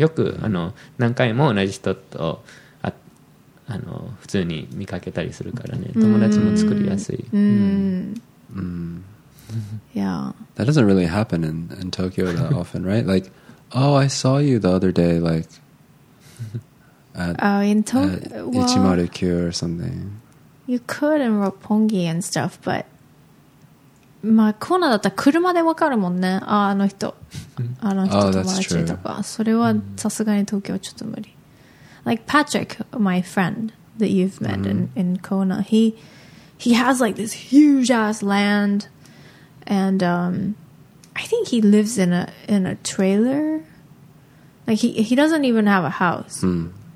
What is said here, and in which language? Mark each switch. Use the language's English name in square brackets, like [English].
[Japanese] よく、mm. あの何回も同じ人とああの普通に見かけたりするからね。友達も作りやすい。 Mm. Mm. Mm. [English] Yeah. That doesn't really happen in Tokyo that often, right? Like, oh, I saw you the other day, like, at Ichimaru-kyu or something. You could in Roppongi and stuff, but [Japanese] まあコーナーだったら車でわかるもんね。あ、あの人、あの人友達とか、 [English] oh, that's true. [Japanese] それはさすがに東京はちょっと無理。 [English] Like Patrick, my friend that you've met、mm-hmm. in Kona, he has like this huge ass land, and I think he lives in a trailer. Like he doesn't even have a house.、 Mm.